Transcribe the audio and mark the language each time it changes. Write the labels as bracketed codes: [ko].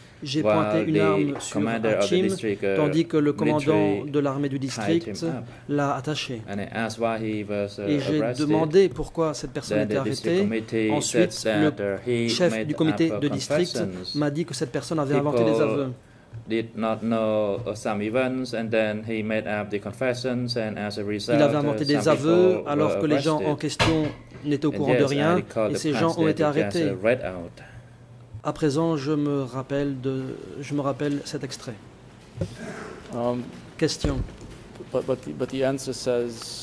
[fr] J'ai pointé une arme sur Achim, tandis que le commandant de l'armée du district l'a attaché. Et j'ai demandé pourquoi cette personne était arrêtée. Ensuite, le chef du comité de district m'a dit que cette personne avait inventé des aveux. [en] Did not know some events, and then he made up the confessions, and as a result, [fr] il avait inventé des aveux alors que les gens en question n'étaient au courant de rien, et ces gens ont été arrêtés. À présent, je me rappelle cet extrait. Question. [en] But the answer says.